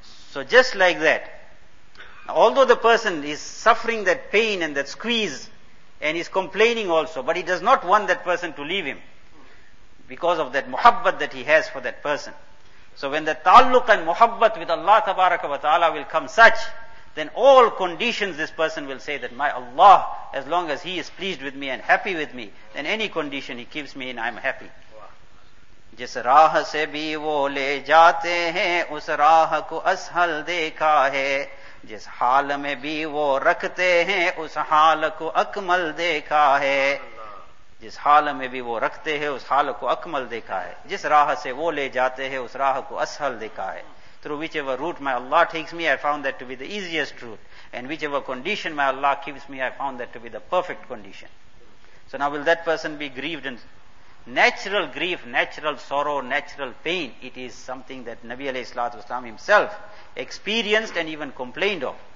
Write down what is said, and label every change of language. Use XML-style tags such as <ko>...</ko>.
<en>So just like that, although the person is suffering that pain and that squeeze, and is complaining also, but he does not want that person to leave him, because of that muhabbat that he has for that person. So when the taluq and muhabbat with Allah tabaraka wa ta'ala will come such, then all conditions this person will say that, "My Allah, as long as he is pleased with me and happy with me, then any condition he keeps me in, I am happy." Wow.</en> <hi>जिस राह से भी वो ले जाते हैं उस राह को असहल देखा है, जिस हाल में भी वो रखते हैं उस हाल को अकमल देखा है, जिस हाल में भी वो रखते हैं उस हाल को अकमल देखा है, जिस राह से वो ले जाते हैं उस राह को असहल देखा है।</hi> <en>Through whichever route my Allah takes me, I found that to be the easiest route. And whichever condition my Allah gives me, I found that to be the perfect condition. So now will that person be grieved? And natural grief, natural sorrow, natural pain, it is something that Nabi alayhi salatu wasalam himself experienced and even complained of.</en>